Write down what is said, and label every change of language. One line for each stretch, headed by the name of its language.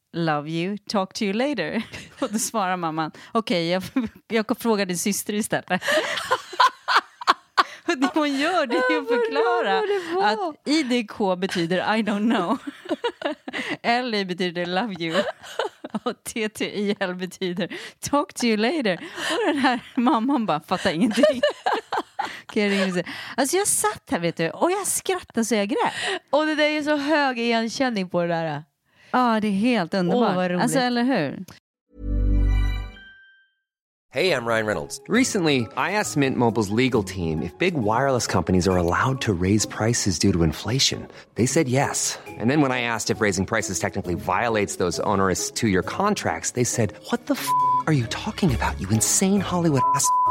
English: Love you, talk to you later.
Swedish: Och då svarar mamman, okej, jag kan fråga din syster istället. Och det hon gör, det är att förklara att IDK betyder
English: I don't know.
Swedish: LI betyder
English: love you.
Swedish: Och TTIL betyder
English: talk to you later.
Swedish: Och den här mamman bara fattar ingenting. Alltså jag satt här, vet du, och jag skrattade så jag grät. Och det är ju så hög igenkänning på det där. Ja, oh, det är helt underbart. Åh, vad roligt. Alltså, eller hur?
English: Hey, I'm Ryan Reynolds. Recently, I asked Mint Mobile's legal team if big wireless companies are allowed to raise prices due to inflation. They said yes. And then when I asked if raising prices technically violates those onerous two-year contracts, they said, what the f*** are you talking about, you insane Hollywood ass?